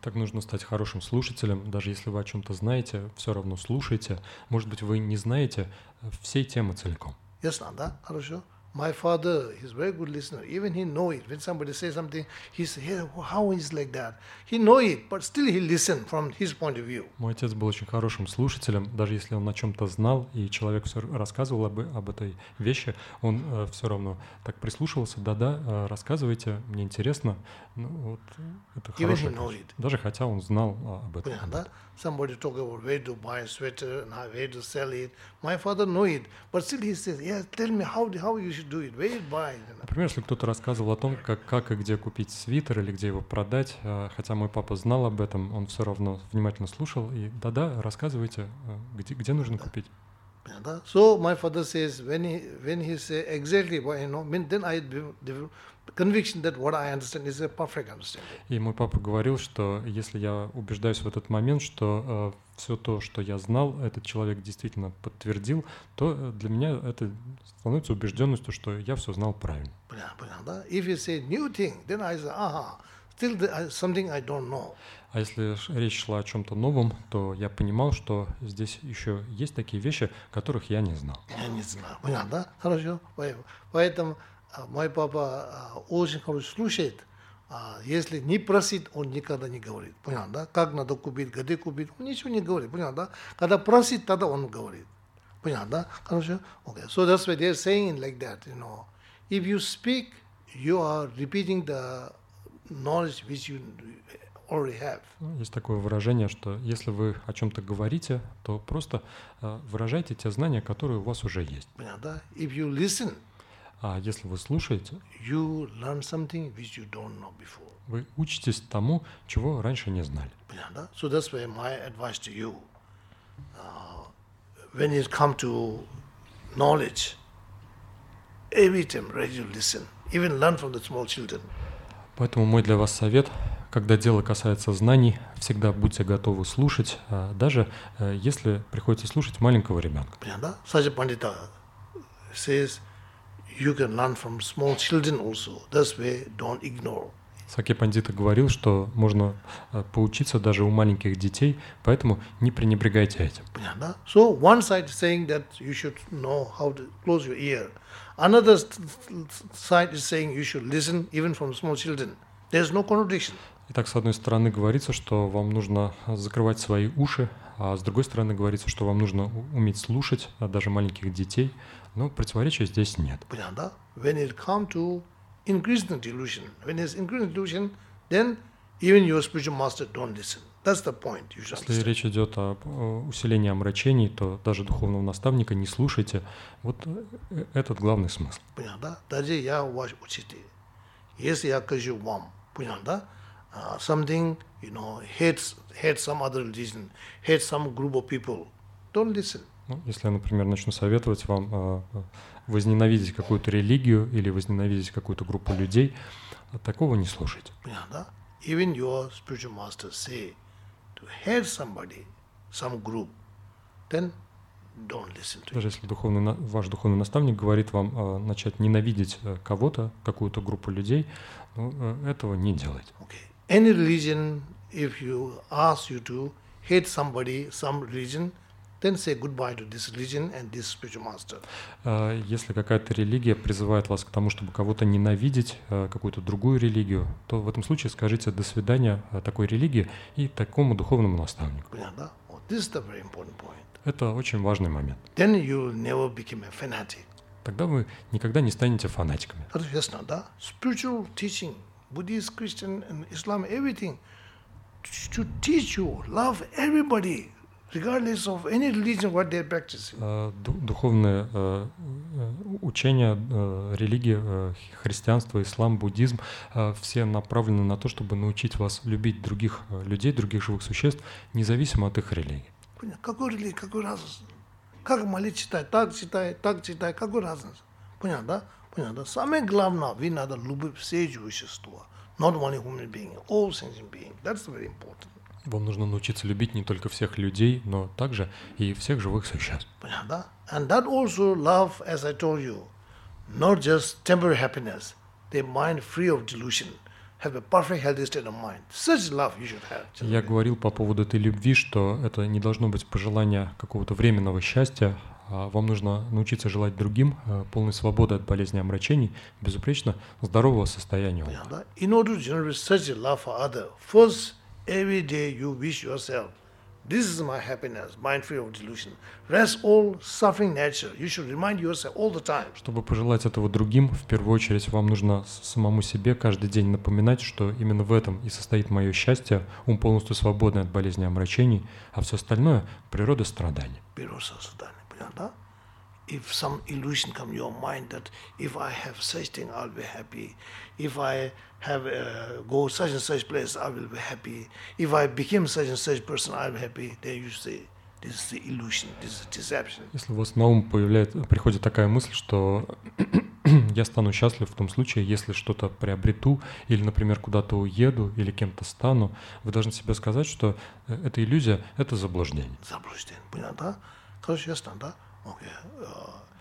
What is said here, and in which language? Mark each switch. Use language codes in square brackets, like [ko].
[ru] Так нужно стать хорошим слушателем, даже если вы о чем-то знаете, все равно слушайте. Может быть, вы не знаете всей темы целиком. Ясно, да? Хорошо. [en] My father, he's very good listener. Even he know it. When somebody says something, he say, hey, how is like that? He know it, but still he listen from his point of view. [ru] Мой отец был очень хорошим слушателем, даже если он о чем-то знал, и человек все рассказывал об этой вещи, он все равно так прислушивался. Да-да, рассказывайте, мне интересно. Ну, вот, это [en] even [ru] хорошее, [en] he know it. [ru] Даже хотя он знал об этом. [en] Yeah, [ru] да? [en] Somebody talk about where to buy a sweater and how, where to sell it. My father know it, but still he says, yeah, tell me how you should do it. Where to buy? You know? [ru] Например, если кто-то рассказывал о том, как и где купить свитер или где его продать, хотя мой папа знал об этом, он все равно внимательно слушал и да-да, рассказывайте, где нужно купить. [en] Yeah, [ru] да? [en] So my father says when he say exactly what you know, then I conviction that what I understand is a perfect understanding. [ru] И мой папа говорил, что если я убеждаюсь в этот момент, что все то, что я знал, этот человек действительно подтвердил, то для меня это становится убежденностью, что я все знал правильно. Понятно, да? [en] If you say new thing, then I say, [ru] ага, [en] still something I don't know. [ru] А если речь шла о чем-то новом, то я понимал, что здесь еще есть такие вещи, которых я не знал. Я не знаю. Понятно, да? Хорошо. Поэтому мой папа очень хорошо слушает. Если не просит, он никогда не говорит. Понял, да? Как надо купить, где купить, он ничего не говорит. Понял, да? Когда просит, тогда он говорит. Понял, да? Хорошо? [en] Okay. So that's why they're saying like that, you know. If you speak, you are repeating the knowledge which you already have. [ru] Есть такое выражение, что если вы о чем-то говорите, то просто выражайте те знания, которые у вас уже есть. Понял, да? [en] If you listen, [ru] а если вы слушаете, [en] you learn something which you don't know before. [ru] Вы учитесь тому, чего раньше не знали. Понятно? [en] So that's why my advice to you, when it comes to knowledge, every time ready to listen, even learn from the small children. [ru] Поэтому мой для вас совет, когда дело касается знаний, всегда будьте готовы слушать, даже если приходится слушать маленького ребенка. Понятно? [en] Саджа Пандита says, you can learn from small children also. That's why don't ignore. [ru] Саки Пандита говорил, что можно поучиться даже у маленьких детей, поэтому не пренебрегайте этим. Понятно? [en] So one side saying that you should know how to close your ear. Another side is saying you should listen even from small children. There's no contradiction. [ru] Итак, с одной стороны говорится, что вам нужно закрывать свои уши, а с другой стороны говорится, что вам нужно уметь слушать даже маленьких детей. Но противоречия здесь нет. Понятно, да? [en] When it comes to increasing delusion, when it's increasing delusion, then even your spiritual master don't listen. That's the point. You [ru] если речь идет о усилении омрачений, то даже духовного наставника не слушайте. Вот этот главный смысл. Понятно, да? Даже я ваш учитель. Если я скажу вам, понятно, да? [en] Something, you know, hates some other religion, hates some group of people, don't listen. [ru] Ну, если я, например, начну советовать вам возненавидеть какую-то религию или возненавидеть какую-то группу людей, такого не слушайте. Понятно, да? [en] Even your spiritual master say to hate somebody, some group, then don't listen to [ru] Даже если духовный, ваш духовный наставник говорит вам начать ненавидеть кого-то, какую-то группу людей, ну, этого не делать. [en] Okay. Any religion, if you ask you to hate somebody, some religion, then say goodbye to this religion and this spiritual master. [ru] Если какая-то религия призывает вас к тому, чтобы кого-то ненавидеть, какую-то другую религию, то в этом случае скажите «до свидания» такой религии и такому духовному наставнику. Понятно? [en] Well, this is the very important point. [ru] Это очень важный момент. [en] Then you never become a fanatic. [ru] Тогда вы никогда не станете фанатиками. Ясно, да? [en] Spiritual teaching, Buddhist, Christian, and Islam, everything to teach you, love everybody. Regardless of any religion, what they're practicing. [ru] Духовное учение, религия, христианство, ислам, буддизм, все направлены на то, чтобы научить вас любить других людей, других живых существ, независимо от их религии. Понятно. Какую религию, какую разницу? Как молитву читать? Так читать, так читать. Какую разницу? Понятно, да? Понятно, да? Самое главное, вы надо любить все существа. [en] Not only human beings, all sentient beings. That's very important. [ru] Вам нужно научиться любить не только всех людей, но также и всех живых существ. Понятно, да? [en] And that also love, as I told you, not just temporary happiness, the mind free of delusion, have a perfect healthy state of mind. Such love you should have. [ru] Я говорил по поводу этой любви, что это не должно быть пожелание какого-то временного счастья. Вам нужно научиться желать другим полной свободы от болезней и омрачений, безупречно здорового состояния. Понятно, да? [en] In order to generate such love for others, first, every day you wish yourself, this is my happiness, mind free of delusion. Rest all suffering nature. You should remind yourself all the time. [ru] Чтобы пожелать этого другим, в первую очередь вам нужно самому себе каждый день напоминать, что именно в этом и состоит мое счастье, ум полностью свободный от болезни и омрачений, а все остальное — природа страданий. Природа страданий, понятно, да? [en] If some illusion come to your mind that if I have such thing, I'll be happy. If I have go such and such place, I will be happy. If I become such and such person, I'll be happy. Then you say, this is the illusion, this is deception. [ru] Если у вас на ум приходит такая мысль, что я стану счастлив в том случае, если что-то приобрету, или, например, куда-то уеду, или кем-то стану, вы должны себе сказать, что это иллюзия, это заблуждение. Заблуждение, понятно, да? Хорошо, ясно, да? [en] Okay.